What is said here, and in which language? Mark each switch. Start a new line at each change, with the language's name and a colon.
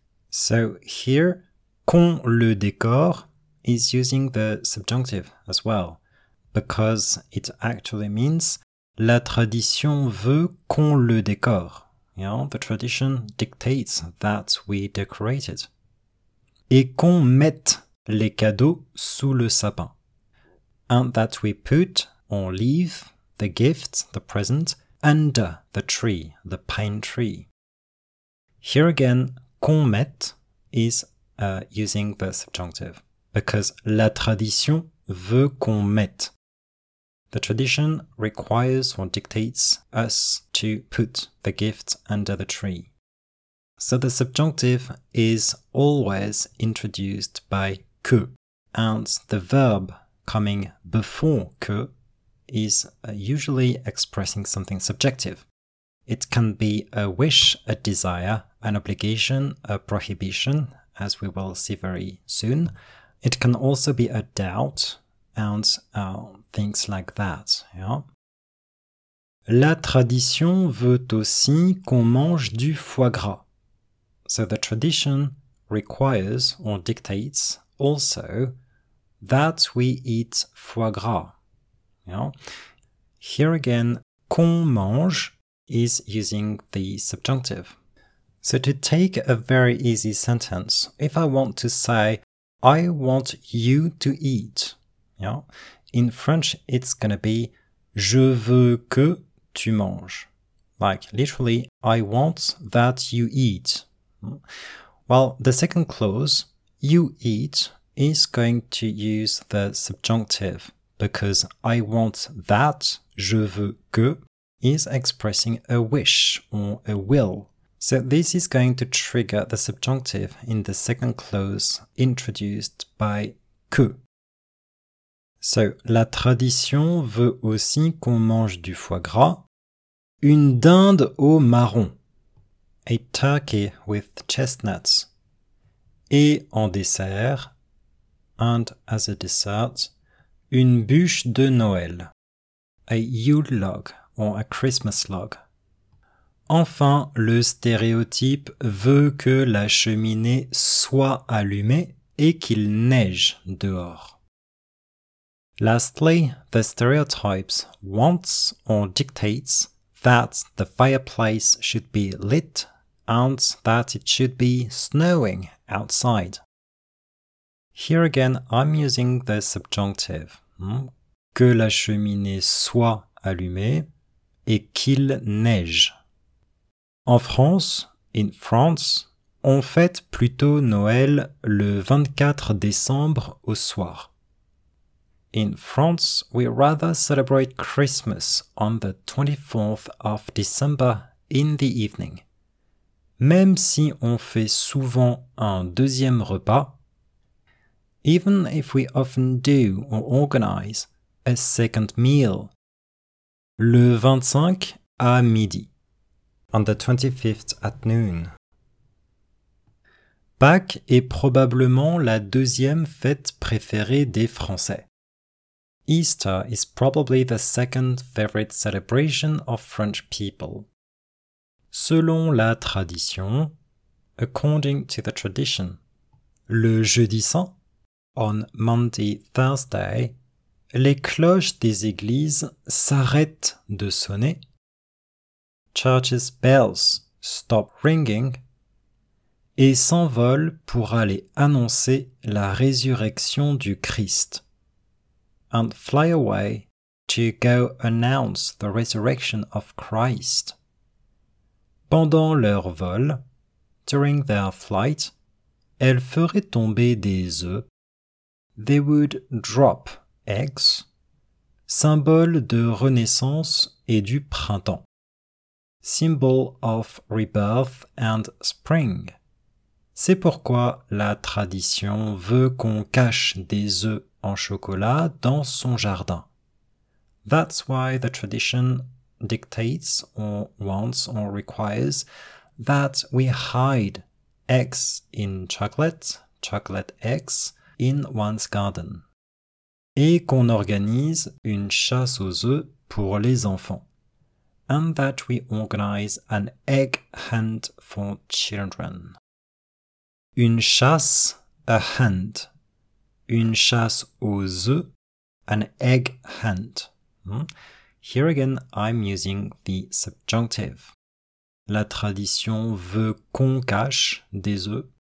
English: So here,
French: qu'on le décore
English: is using the subjunctive as well, because it actually means
French: la tradition veut qu'on le décore.
English: Yeah? The tradition dictates that we decorate it.
French: Et qu'on mette les cadeaux sous le sapin.
English: And that we put or leave the gift, the present, under the tree, the pine tree. Here again,
French: qu'on mette
English: is using the subjunctive. Because
French: la tradition veut qu'on mette.
English: The tradition requires or dictates us to put the gift under the tree. So the subjunctive is always introduced by que, and the verb coming before que is usually expressing something subjective. It can be a wish, a desire, an obligation, a prohibition, as we will see very soon. It can also be a doubt and things like that. Yeah?
French: La tradition veut aussi qu'on mange du foie gras.
English: So the tradition requires or dictates also that we eat foie gras. Yeah? Here again,
French: qu'on mange
English: is using the subjunctive. So to take a very easy sentence, if I want to say, I want you to eat, yeah? In French, it's going to be,
French: je veux que tu manges.
English: Like, literally, I want that you eat. Well, the second clause, you eat, is going to use the subjunctive, because I want that,
French: je veux que,
English: is expressing a wish or a will. So this is going to trigger the subjunctive in the second clause introduced by que.
French: So, la tradition veut aussi qu'on mange du foie gras. Une dinde au marron.
English: A turkey with chestnuts.
French: Et en dessert.
English: And as a dessert.
French: Une bûche de Noël.
English: A Yule log or a Christmas log.
French: Enfin, le stéréotype veut que la cheminée soit allumée et qu'il neige dehors.
English: Lastly, the stereotypes wants or dictates that the fireplace should be lit and that it should be snowing outside. Here again, I'm using the subjunctive.
French: Que la cheminée soit allumée et qu'il neige. En France,
English: in France,
French: on fête plutôt Noël le 24 décembre au soir.
English: In France, we rather celebrate Christmas on the 24th of December in the evening.
French: Même si on fait souvent un deuxième repas,
English: even if we often do or organize a second meal,
French: le 25 à midi.
English: On the 25th at noon.
French: Pâques est probablement la deuxième fête préférée des Français.
English: Easter is probably the second favorite celebration of French people.
French: Selon la tradition,
English: according to the tradition,
French: le jeudi saint,
English: on Monday, Thursday,
French: les cloches des églises s'arrêtent de sonner.
English: Church's bells stop ringing
French: et s'envole pour aller annoncer la résurrection du Christ.
English: And fly away to go announce the resurrection of Christ.
French: Pendant leur vol,
English: during their flight,
French: elles feraient tomber des œufs.
English: They would drop eggs,
French: symbole de renaissance et du printemps.
English: Symbol of rebirth and spring.
French: C'est pourquoi la tradition veut qu'on cache des œufs en chocolat dans son jardin.
English: That's why the tradition dictates or wants or requires that we hide eggs in chocolate eggs in one's garden.
French: Et qu'on organise une chasse aux œufs pour les enfants.
English: And that we organize an egg hunt for children.
French: Une chasse,
English: a hunt.
French: Une chasse aux œufs,
English: an egg hunt. Here again, I'm using the subjunctive.
French: La tradition veut qu'on cache des œufs.